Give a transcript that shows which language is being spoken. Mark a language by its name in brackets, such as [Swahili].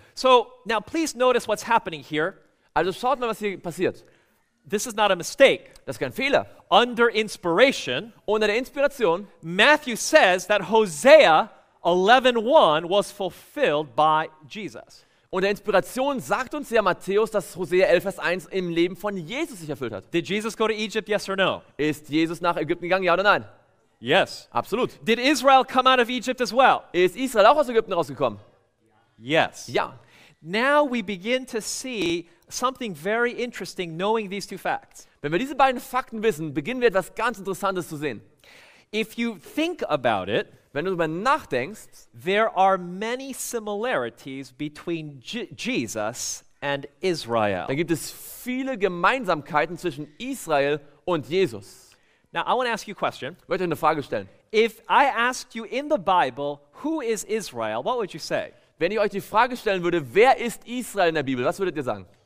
[English] So, now please notice what's happening here. [German] Also schaut mal, was hier passiert. [English] This is not a mistake. [German] Das ist kein Fehler. [English] Under inspiration, [German] unter der Inspiration, [English] Matthew says that Hosea 11:1 was fulfilled by Jesus. [German] Unter Inspiration sagt uns ja Matthäus, dass Hosea 11, Vers 1 im Leben von Jesus sich erfüllt hat. [English] Did Jesus go to Egypt, yes or no? [German] Ist Jesus nach Ägypten gegangen, ja oder nein? [English] Yes. [German] Absolut. [English] Did Israel come out of Egypt as well? [German] Ist Israel auch aus Ägypten rausgekommen? [English] Yes. Yeah. Now we begin to see something very interesting knowing these two facts. [German] Wenn wir diese beiden Fakten wissen, beginnen wir etwas ganz Interessantes zu sehen. [English] If you think about it, [German] wenn du darüber nachdenkst, [English] there are many similarities between Jesus and Israel. [German] Da gibt es viele Gemeinsamkeiten zwischen Israel und Jesus. [English] Now I want to ask you a question. [German] Ich möchte eine Frage stellen. [English] If I asked you in the Bible, who is Israel, what would you say? [German] Wenn ich euch die Frage stellen würde, wer ist Israel in der Bibel, was würdet ihr sagen?